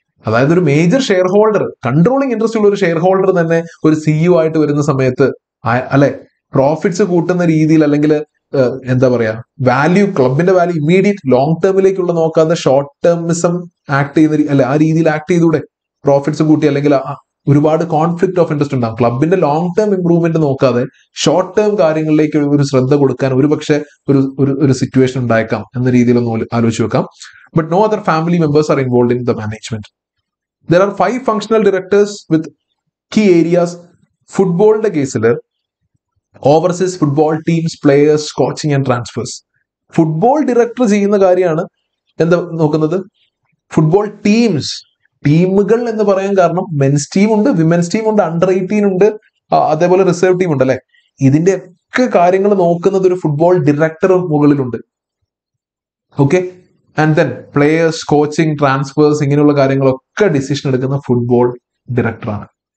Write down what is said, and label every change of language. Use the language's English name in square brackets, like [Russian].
[Malayalam] അതായത് ഒരു major share holder, controlling interest ഉള്ള ഒരു ഷെയർ ഹോൾഡർ തന്നെ ഒരു CEO ആയിട്ട് വരുന്ന സമയത്ത് അല്ലെ, പ്രോഫിറ്റ്സ് കൂട്ടുന്ന രീതിയിൽ അല്ലെങ്കിൽ എന്താ പറയാ, വാല്യൂ, ക്ലബിന്റെ വാല്യൂ ഇമ്മീഡിയറ്റ് ലോങ് ടേമിലേക്കുള്ള നോക്കാതെ ഷോർട്ട് ടേമിസം ആക്ട് ചെയ്യുന്ന അല്ലെ ആ രീതിയിൽ ആക്ട് ചെയ്തൂടെ പ്രോഫിറ്റ്സ് കൂട്ടി, അല്ലെങ്കിൽ ഒരുപാട് കോൺഫ്ലിക്ട് ഓഫ് ഇൻട്രസ്റ്റ് ഉണ്ടാകും. ക്ലബിന്റെ ലോങ് ടേം ഇംപ്രൂവ്മെന്റ് നോക്കാതെ ഷോർട്ട് ടേം കാര്യങ്ങളിലേക്ക് ഒരു ശ്രദ്ധ കൊടുക്കാൻ ഒരു പക്ഷെ ഒരു ഒരു ഒരു സിറ്റുവേഷൻ ഉണ്ടായേക്കാം എന്ന രീതിയിലൊന്ന് ആലോചിച്ച് വെക്കാം. [English] But no other family members are involve in the management. There are five functional directors with key areas. Football in the case, overseas football teams, players, coaching and transfers. Football director is doing the thing. Football teams. [Malayalam] ടീമുകൾ എന്ന് പറയാൻ കാരണം men's team ഉണ്ട്, women's team ഉണ്ട്, under 18 ഉണ്ട്, അതേപോലെ reserve team ഉണ്ട് അല്ലെ. ഇതിന്റെ ഒക്കെ കാര്യങ്ങൾ നോക്കുന്നത് ഒരു ഫുട്ബോൾ ഡിറക്ടർ മുകളിലുണ്ട്. Okay, and then players, coaching, transfers ഇങ്ങനെയുള്ള കാര്യങ്ങളൊക്കെ ഡിസിഷൻ എടുക്കുന്ന ഫുട്ബോൾ ഡിറക്ടറാണ്.